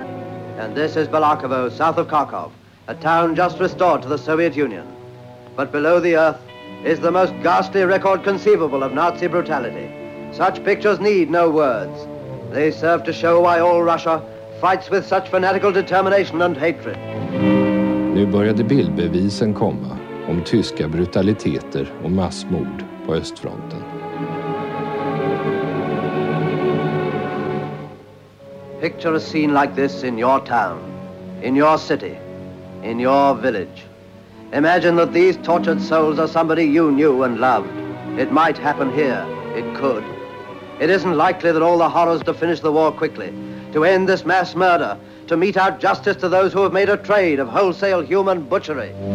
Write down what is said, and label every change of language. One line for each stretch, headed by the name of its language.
English: And this is Balakovo, south of Kharkov, a town just restored to the Soviet Union. But below the earth is the most ghastly record conceivable of Nazi brutality. Such pictures need no words. They serve to show why all Russia fights with such fanatical determination and hatred.
Swedish: Nu började bildbevisen komma om tyska brutaliteter och massmord på östfronten.
English: Picture a scene like this in your town, in your city, in your village. Imagine that these tortured souls are somebody you knew and loved. It might happen here. It could. It isn't likely that all the horrors to finish the war quickly, to end this mass murder, to mete out justice to those who have made a trade of wholesale human butchery.